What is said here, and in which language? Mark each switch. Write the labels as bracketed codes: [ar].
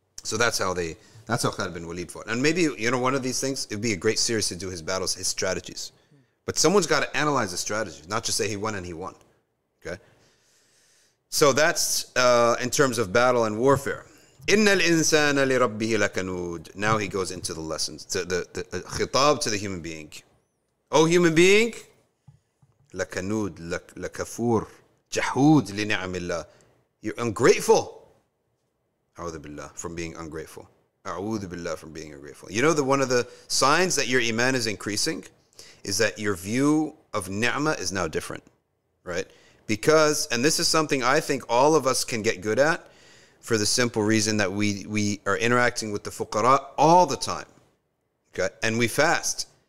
[en] So that's how Khalid bin Walid fought. And maybe, you know, one of these things, it'd be a great series to do his battles, his strategies. But someone's got to analyze the strategy, not just say he won and he won, okay? So that's in terms of battle and warfare. [ar] إِنَّ الْإِنسَانَ لِرَبِّهِ لَكَنُودٍ. [en] Now he goes into the lessons, to the khitab to the human being. Oh, human being, [ar] لَكَنُود, لَكَفُور, جَحُود لِنِعَمِ اللَّهِ. [en] You're ungrateful. أعوذ بالله, from being ungrateful. أعوذ بالله, from being ungrateful. You know that one of the signs that your iman is increasing? Is that your view of ni'mah is now different, right? Because, and this is something I think all of us can get good at for the simple reason that we are interacting with the fuqara all the time, okay? And we fast.